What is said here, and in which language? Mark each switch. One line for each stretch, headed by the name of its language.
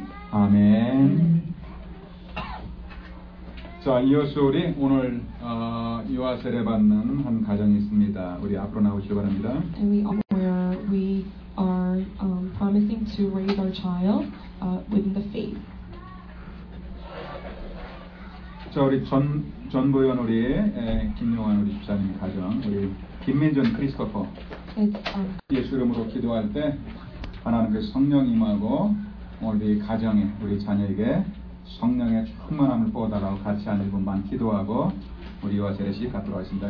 Korean: 아멘. 자, 이어서 우리 오늘 유아세례 받는 한 가정이 있습니다. 우리 앞으로 나오시기 바랍니다.
English: And we are promising to raise our child within the faith.
Korean: 자, 우리 전부연 우리 김용환 우리 집사님 가정 우리 김민준 크리스토퍼 예수 이름으로 기도할 때 하나님께 성령 임하고 우리 가정에 우리 자녀에게 성령의 충만함을 부어달라고 같이 한 분만 기도하고 우리 요아세례씨 갖도록 하겠습니다.